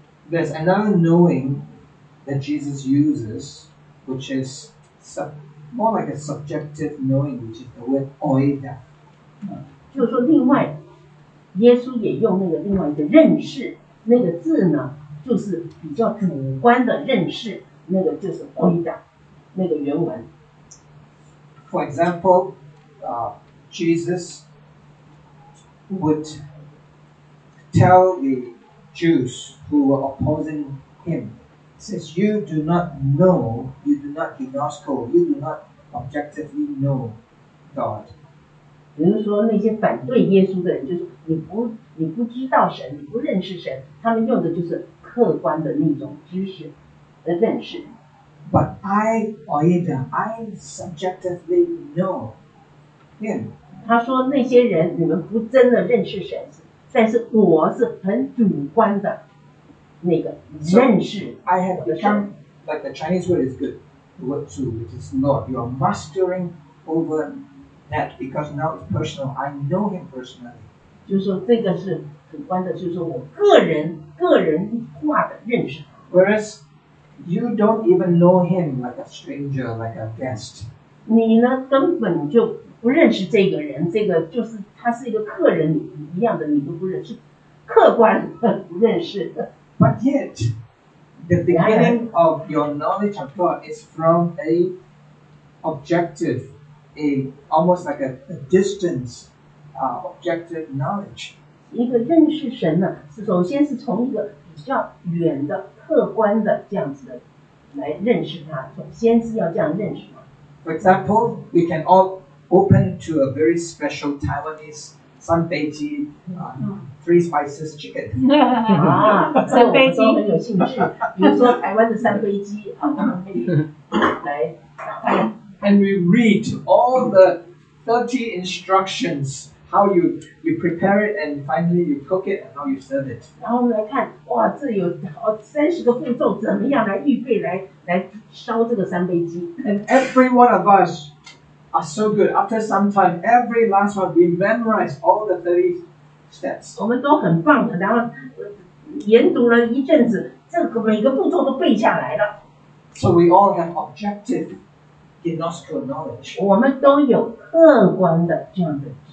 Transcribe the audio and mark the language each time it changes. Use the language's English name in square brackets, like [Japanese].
[English] There's another knowing that Jesus uses, which is more like a subjective knowing, which is the word oida. [Chinese] 就是说另外耶稣也用那个另外一个认识那个字呢就是比较主观的认识那个就是 oida 那个原文。 [English] For example, Jesus would tell the Jews who were opposing him, says, you do not know, you do not gnosko, you do not objectively know God. [Chinese] 比如说那些反对耶稣的人，就是你不知道神，你不认识神，他们用的就是客观的那种知识的认识。 [English] But I, or either, I subjectively know him. [Chinese] 他说那些人，你们不真的认识神，但是我是很主观的那个认识。 [English] So, I have become, like the Chinese word is good, the word zu, which is Lord. You are mastering over that because now it's personal. I know him personally. [Chinese] 就是说这个是主观的，就是说我个人化的认识。 [English] Whereas,You don't even know him like a stranger, like a guest. [Chinese] 你呢根本就不认识这个人，这个就是他是一个客人一样的，你都不认识，客观不认识。 [English] But yet, the beginning of your knowledge of God is from a objective, a almost like a distance, objective knowledge. [Chinese] 一个认识神呢，是首先是从一个比较远的。客观的这样子来认识他，先是要这样认识嘛。 [English] For example, we can all open to a very special Taiwanese San Bei Ji three spices chicken. [Chinese] 啊，三杯鸡很有兴趣。比如说台湾的三杯鸡啊，来。 [English] And we read all the 30 instructions. How you prepare it and finally you cook it and how you serve it. [Chinese] 然后来看，哇，这有30个步骤，怎么样来预备来烧这个三杯鸡。 [English] And every one of us are so good. After some time, every last one we memorize all the 30 steps. [Chinese] 我们都很棒的，然后研读了一阵子，这个每个步骤都背下来了。 [English] So we all have objective gnostical knowledge. [Chinese] 我们都有客观的这样的。